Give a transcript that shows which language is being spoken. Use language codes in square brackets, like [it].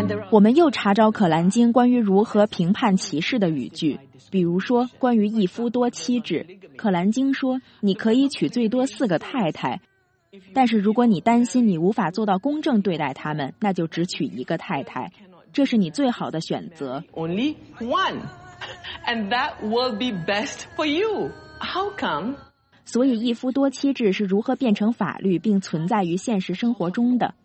[zh] 我们又查找《可兰经》关于如何评判歧视的语句，比如说关于一夫多妻制，《可兰经》说你可以娶最多四个太太，但是如果你担心你无法做到公正对待他们，那就只娶一个太太，这是你最好的选择。 [en] Only one, and that will be best for you. How come? [zh] 所以一夫多妻制是如何变成法律并存在于现实生活中的？